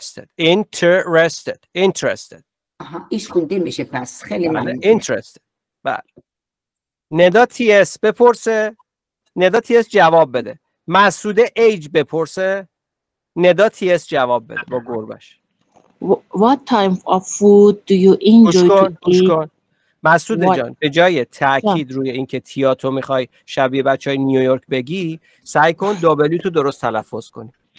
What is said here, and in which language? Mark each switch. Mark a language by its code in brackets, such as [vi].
[en] Interested. [fa] آها ایش خونده میشه پس. خیلی ممنون. Interested. بله. ندا تی اس بپرسه. ندا تی اس جواب بده. مسعود ایج بپرسه. ندا تی اس جواب بده با گربش. [en] What time of food do you enjoy to eat? [fa] مسعود جان به جای تاکید روی اینکه تیا تو میخوای شبیه بچهای نیویورک بگی سعی کن دابلیو تو درست تلفظ کنی.